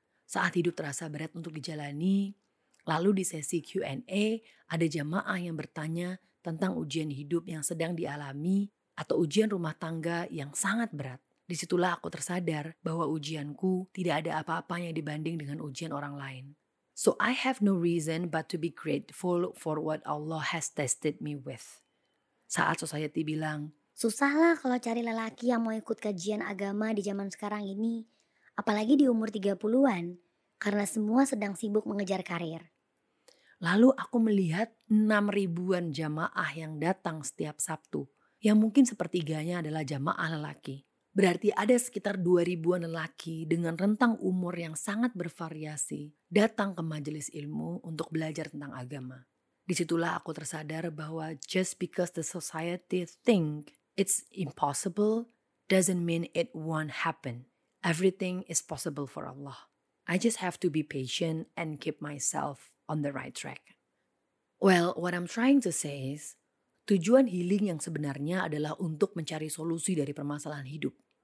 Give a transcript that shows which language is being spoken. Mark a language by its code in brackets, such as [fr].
[id] Saat hidup terasa berat untuk dijalani, lalu di sesi Q&A ada jamaah yang bertanya tentang ujian hidup yang sedang dialami atau ujian rumah tangga yang sangat berat. Disitulah aku tersadar bahwa ujianku tidak ada apa-apa yang dibanding dengan ujian orang lain. [en] So I have no reason but to be grateful for what Allah has tested me with. [id] Saat society bilang, susahlah kalau cari lelaki yang mau ikut kajian agama di zaman sekarang ini, apalagi di umur 30-an, karena semua sedang sibuk mengejar karir. Lalu aku melihat 6.000-an jamaah yang datang setiap Sabtu, yang mungkin sepertiganya adalah jamaah lelaki. Berarti ada sekitar 2.000-an lelaki dengan rentang umur yang sangat bervariasi datang ke majelis ilmu untuk belajar tentang agama. Disitulah aku tersadar bahwa [en] just because the society think it's impossible doesn't mean it won't happen. Everything is possible for Allah. I just have to be patient and keep myself on the right track. Well, what I'm trying to say is, [id] tujuan healing yang sebenarnya adalah untuk mencari solusi dari permasalahan hidup.